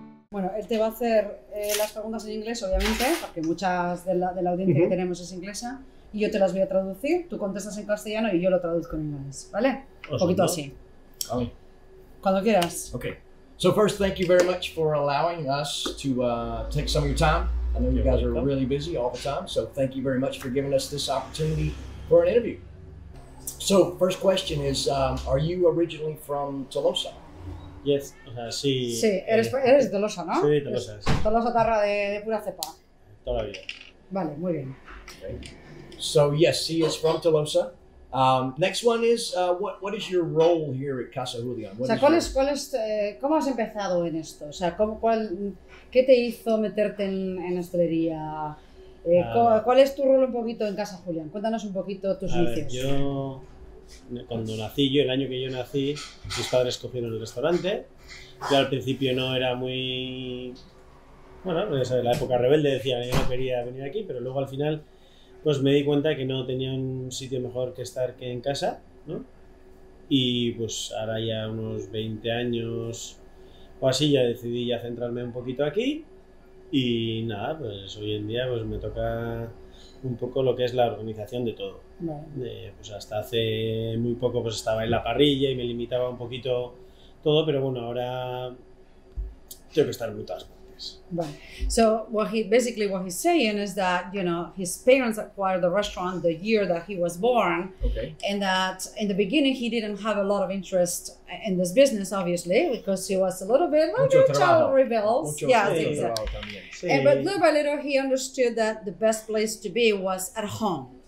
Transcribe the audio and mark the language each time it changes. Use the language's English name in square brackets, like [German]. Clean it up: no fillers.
[Spanish] Bueno, él te va a hacer las preguntas en inglés, obviamente, porque muchas de la audiencia que tenemos es inglesa, y yo te las voy a traducir. Tú contestas en castellano y yo lo traduzco en inglés, ¿vale? [English] Awesome. [Spanish] Poquito así. Ali. Cuando quieras. [English] Okay. So first, thank you very much for allowing us to take some of your time. I know you guys are really busy all the time, so thank you very much for giving us this opportunity for an interview. So first question is, are you originally from Tolosa? Yes, [Spanish] o sea, sí. Sí, eres Tolosa, ¿no? Sí, Tolosa. Tolosa tarra de pura cepa. Todavía. Vale, muy bien. [English] So yes, he is from Tolosa. Next one is what is your role here at Casa Julian? [Spanish] O sea, ¿cuál es cómo has empezado en esto? O sea, ¿qué te hizo meterte en hostelería? ¿Cuál es tu rol un poquito en Casa Julian? Cuéntanos un poquito tus inicios. Cuando nací yo, el año que yo nací, mis padres cogieron el restaurante. Yo al principio no era muy... Bueno, en la época rebelde decía que no quería venir aquí, pero luego al final pues me di cuenta que no tenía un sitio mejor que estar que en casa, ¿no? Y pues ahora ya unos 20 años o así ya decidí ya centrarme un poquito aquí. Y nada, pues hoy en día pues me toca un poco lo que es la organización de todo. Pues hasta hace muy poco pues estaba en la parrilla y me limitaba un poquito todo, pero bueno, ahora tengo que estar en todas partes. [English] Right. So what he's saying is that, you know, his parents acquired the restaurant the year that he was born. Okay. And that in the beginning he didn't have a lot of interest in this business, obviously, because he was a little bit like a child rebels. But little by little he understood that the best place to be was at home.